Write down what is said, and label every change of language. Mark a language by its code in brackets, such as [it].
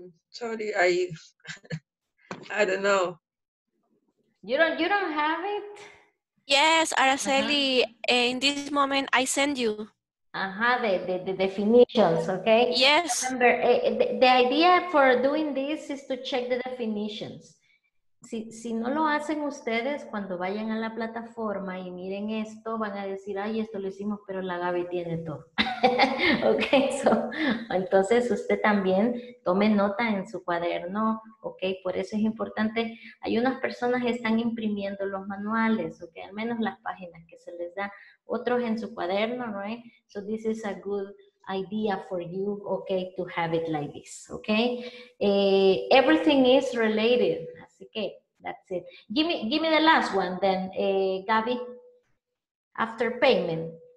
[en] Sorry, I don't know. You don't have it? Yes, Araceli, uh-huh. In this moment I send you. Uh-huh, the definitions, okay? Yes. Remember, the idea for doing this is to check the definitions. [es] Si no lo hacen ustedes, cuando vayan a la plataforma y miren esto, van a decir, ay, esto lo hicimos, pero la Gaby tiene todo. Ok, so, entonces usted también tome nota en su cuaderno, ok, por eso es importante. Hay unas personas que están imprimiendo los manuales, ok, al menos las páginas que se les da, otros en su cuaderno, right? [en] So this is a good idea for you, ok, to have it like this, ok. Everything is related. Okay, that's it. Give me the last one then, Gabby. After payment.